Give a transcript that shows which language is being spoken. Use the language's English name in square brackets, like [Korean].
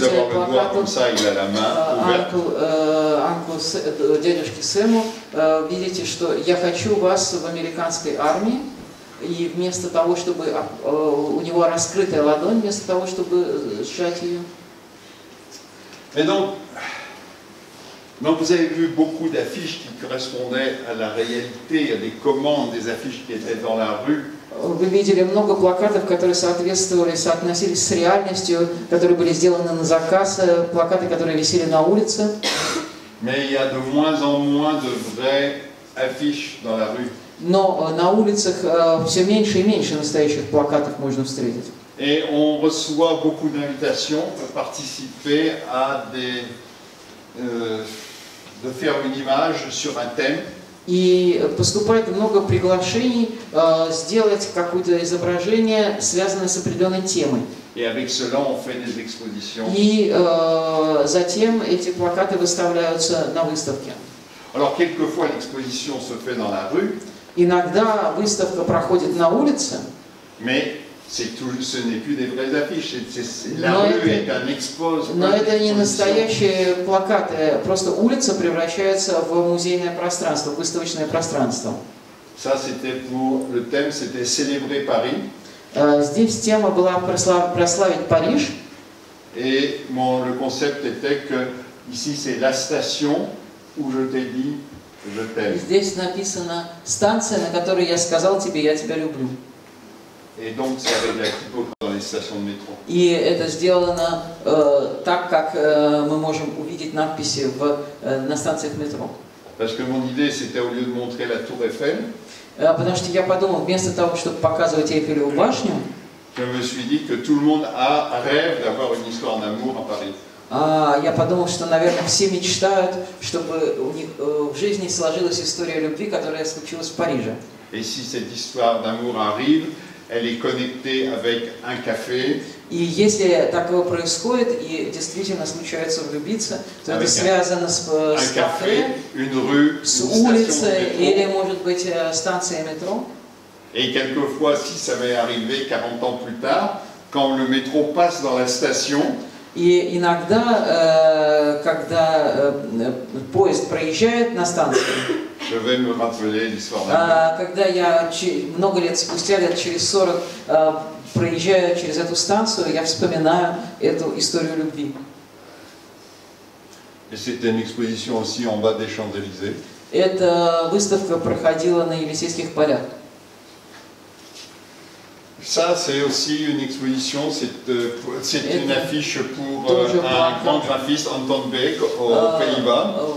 [French] Mais au lieu d'avoir le doigt comme ça, il a la main ouverte. [Russian] Дядюшке Сэму, видите, что я хочу вас в американской армии, и вместо того, чтобы у него раскрытая ладонь, вместо того, чтобы сжать ее. [French] Et donc, donc vous avez vu beaucoup d'affiches qui correspondaient à la réalité, à des commandes, des affiches qui étaient dans la rue. [Russian] Вы видели много плакатов, которые соответствовали, соотносились с реальностью, которые были сделаны на заказ, плакаты, которые висели на улице. [French] Mais il y a de moins en moins de vraies affiches dans la rue. [Russian] Но на улицах все меньше и меньше настоящих плакатов можно встретить. [French] Et on reçoit beaucoup d'invitations pour participer à des de faire une image sur un thème. [Russian] И поступает много приглашений сделать какое-то изображение, связанное с определенной темой. [French] Et avec cela, on fait des expositions. [Russian] И затем эти плакаты выставляются на выставке. [French] Alors quelquefois l'exposition se fait dans la rue. [Russian] Иногда выставка проходит на улице. [French] Mais c'est tout, ce n'est plus des vraies affiches, c'est la rue est un expose. [Russian] Но это не настоящие плакаты, просто улица превращается в музейное пространство, выставочное пространство. [French] Ça c'était pour le thème, c'était célébrer Paris. [Russian] Здесь тема была прославить Париж. [French] Et bon, le concept était que ici c'est la station où je t'ai dit je t'aime. [Russian] Здесь написано станция, на которой я сказал тебе я тебя люблю. [French] Et donc, c'est avec la typographie dans les stations de métro. [Russian] И это сделано так, как мы можем увидеть надписи в на станциях метро. [French] Parce que mon idée, c'était au lieu de montrer la Tour Eiffel. [Russian] Потому что я подумал, вместо того, чтобы показывать Эйфелеву башню. [French] Je me suis dit que tout le monde a rêve d'avoir une histoire d'amour à Paris. [Russian] Я подумал, что, наверное, все мечтают, чтобы у них в жизни сложилась история любви, которая случилась в Париже. [French] Et si cette histoire d'amour arrive, elle est connectée avec un café. [Russian] И если такое происходит и действительно случается влюбиться, то это связано с кафе, [French] une rue, [Russian] с улицей или, может быть, станцией метро. [French] Et quelquefois, si ça m'est arrivé 40 ans plus tard, quand le métro passe dans la station. [Russian] И иногда, когда поезд проезжает на станции. [French] Je vais me rappeler l'histoire. [Russian] Когда я много лет спустя, лет через 40, проезжаю через эту станцию, я вспоминаю эту историю любви. [French] Et c'était une exposition aussi en bas des Champs-Élysées. [Russian] Эта выставка проходила на Елисейских полях. [French] Ça, c'est aussi une exposition, c'est une affiche pour un grand graphiste, Anton Beck, aux Pays-Bas.